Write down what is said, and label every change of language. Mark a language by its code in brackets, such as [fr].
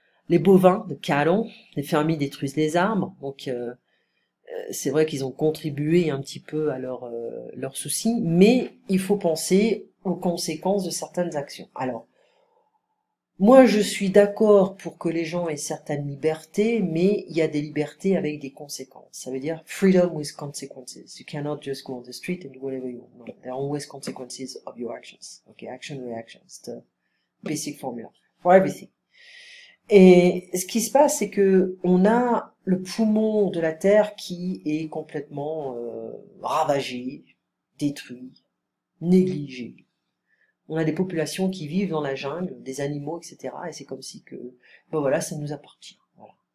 [fr] Les bovins, le cattle, les fermiers détruisent les arbres. Donc c'est vrai qu'ils ont contribué un petit peu à leurs soucis, mais il faut penser aux conséquences de certaines actions. Alors, moi je suis d'accord pour que les gens aient certaines libertés, mais il y a des libertés avec des conséquences. Ça veut dire [en] freedom with consequences. You cannot just go on the street and do whatever you want. There are always consequences of your actions. Okay, action, reaction, it's the basic formula for everything. [fr] Et ce qui se passe, c'est que on a le poumon de la Terre qui est complètement ravagé, détruit, négligé. On a des populations qui vivent dans la jungle, des animaux, etc. Et c'est comme si que, ben voilà, ça nous appartient. Voilà.